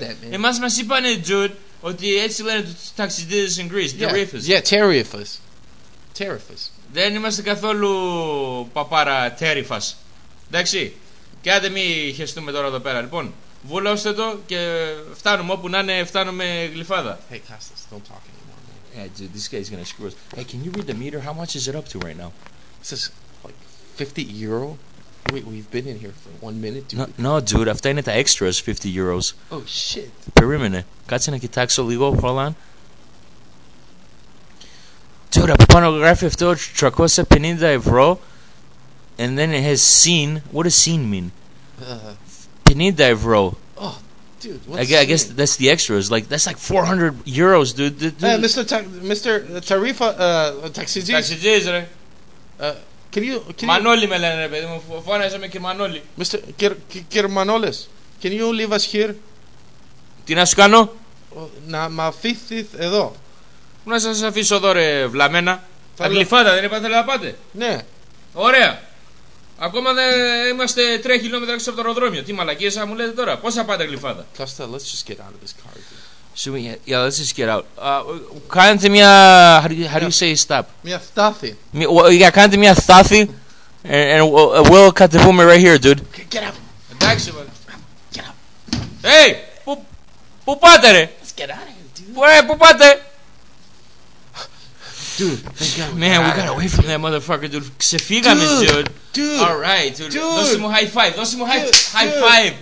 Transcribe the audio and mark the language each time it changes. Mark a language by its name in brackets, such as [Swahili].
[Greek] Εμάς μας είπανε, dude, ότι έτσι λένε τους ταξιδιώτες [English] in Greece. Derifis. Yeah, Terifis. Terifis. [Greek] Δεν είμαστε καθόλου παπάρα Terifas. Εντάξει. Και άντε μη χεστούμε τώρα εδώ πέρα, λοιπόν. Βουλώστε το και φτάνουμε όπου να είναι, φτάνουμε γλυφάδα. [English] Hey, Costas, don't talk anymore, man. Yeah, dude, this guy's gonna screw us. Hey, can you read the meter? How much is it up to right now? It says, like, 50 euro? Wait, we've been in here for 1 minute, dude. No, no, dude, [Greek] αυτά είναι τα [English] extras, 50 euros. Oh, shit. [Greek] Περίμενε, κάτσε να κοιτάξω λίγο, [English] hold on. [Greek] Dude, από πάνω γράφει αυτό 350 ευρώ. [English] And then it has scene. What does scene mean? 50 ευρώ. Oh, dude, what's scene? I guess that's the extras. Like, that's like 400 euros, dude. Hey, Mr. Tarifa, taxidis. [Greek] Taxidis, re. Manoli με λένε, ρε παιδί μου. Φώναζε με Κυρμανόλη. [English] Mr. Κυρμανόλες, can you leave us here? [Greek] Τι να σου κάνω? Να μ' αφήθεις εδώ. Πού να σας αφήσω εδώ, ρε, βλαμμένα. Αγγλυφάτα, δεν είπατε να πάτε? Ναι. Ωραία. Ακόμα δεν είμαστε 3 χιλιόμετρα έξω από το αεροδρόμιο. Τι μαλακίες θα μου λέτε τώρα? Πώς θα πάτε, Γλυφάδα? [English] Κώστα, let's just get out of this car. Yeah, let's just get out. [Greek] Κάντε μια... [English] How do you say stop? [Greek] Μια στάθη. Yeah, κάντε μια στάθη. [English] And we'll cut the boomer right here, dude. Get up. [Greek] Εντάξει, man. [English] Get up. [Greek] Hey! Πού πάτε, ρε? [English] Let's get out of here, dude. [Greek] Πού πάτε? [English] Dude, man, we got away from that motherfucker, dude. [Greek] Ξεφύγαμε, dude. [English] Dude. All right, dude. [Greek] Δώσε μου [English] high five. [Greek] Δώσε μου high five.